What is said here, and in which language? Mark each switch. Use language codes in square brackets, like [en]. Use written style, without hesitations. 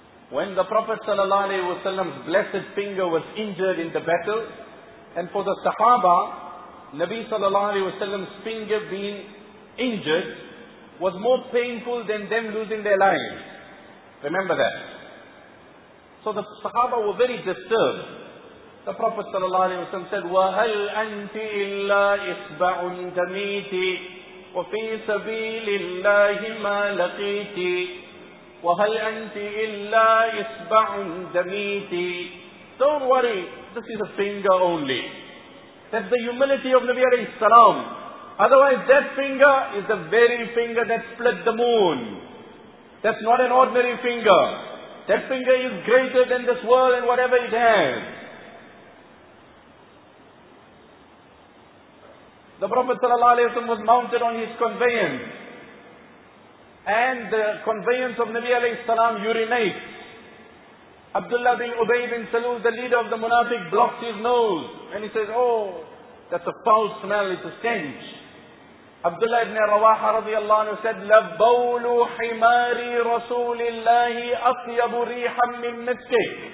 [en] When the Prophet ﷺ's blessed finger was injured in the battle, and for the Sahaba, Nabi ﷺ's finger being injured was more painful than them losing their lives. Remember that. So the Sahaba were very disturbed. The Prophet ﷺ said, [ar] وَهَلْ أَنْتِ إِلَّا إِصْبَعٌ جَمِيتِ وَفِي سَبِيلِ اللَّهِ مَا لَقِيتِ وَهَلْ أَنْتِ إِلَّا إِصْبَعٌ دَمِيتِ. [en] Don't worry, this is a finger only. That's the humility of Nabi alayhi salam. Otherwise that finger is the very finger that split the moon. That's not an ordinary finger. That finger is greater than this world and whatever it has. The Prophet ﷺ was mounted on his conveyance. And the conveyance of Nabi ﷺ urinates. Abdullah bin Ubay bin Salul, the leader of the Munafiq, blocks his nose. And he says, oh, that's a foul smell, it's a stench. Abdullah ibn Rawaha radiallahu anhu said, [ar] لَبَّوْلُ حِمَارِ رَسُولِ اللَّهِ أَطْيَبُ رِيحًا مِّن مِسْكِكِ.